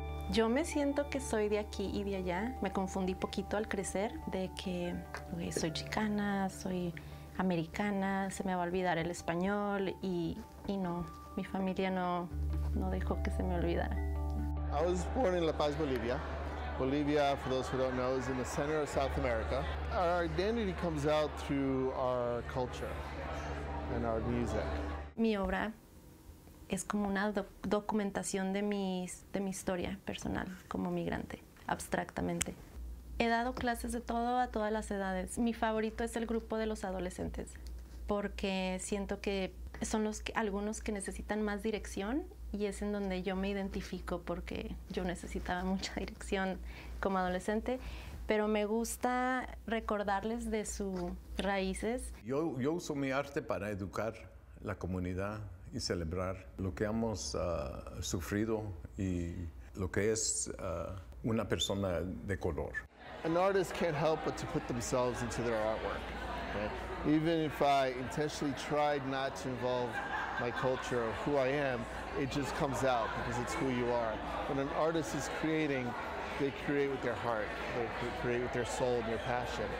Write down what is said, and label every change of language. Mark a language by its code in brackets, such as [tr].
[es] Yo me siento que soy de aquí y de allá. Me confundí poquito al crecer de que pues, soy chicana, soy americana, se me va a olvidar el español y no, mi familia no dejó que se me olvidara. [en] I was born in La Paz, Bolivia. Bolivia, for those who don't know, is in the center of South America. Our identity comes out through our culture and our music. [es] Mi obra es como una documentación de mi historia personal como migrante, abstractamente. He dado clases de todo a todas las edades. Mi favorito es el grupo de los adolescentes, porque siento que son algunos que necesitan más dirección y es en donde yo me identifico porque yo necesitaba mucha dirección como adolescente, pero me gusta recordarles de sus raíces. Yo uso mi arte para educar la comunidad y celebrar lo que hemos sufrido y lo que es una persona de color. [en] An artist can't help but to put themselves into their artwork. Right? Even if I intentionally tried not to involve my culture or who I am, it just comes out because it's who you are. When an artist is creating, they create with their heart. They create with their soul and their passion.